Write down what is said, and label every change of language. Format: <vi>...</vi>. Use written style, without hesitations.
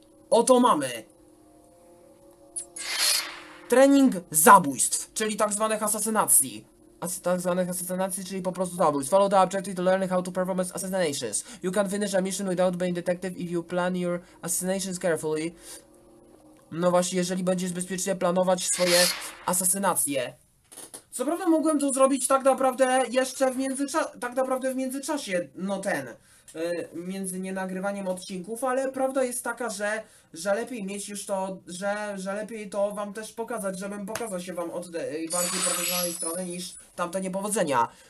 <pl>Oto mamy. Trening zabójstw, czyli tak zwanych asasynacji. Tak zwanych asasynacji, czyli po prostu zabójstw.</pl> <en>Follow the objective to learn how to perform assassinations. You can finish a mission without being detected if you plan your assassinations carefully.</en> <pl>No właśnie, jeżeli będziesz bezpiecznie planować swoje asasynacje. Co prawda mogłem to zrobić tak naprawdę jeszcze w międzyczasie, tak naprawdę w międzyczasie, no ten. Między nienagrywaniem odcinków, ale prawda jest taka, że lepiej mieć już to, że lepiej to wam też pokazać, żebym pokazał się wam od tej bardziej profesjonalnej strony niż tamte niepowodzenia.</pl>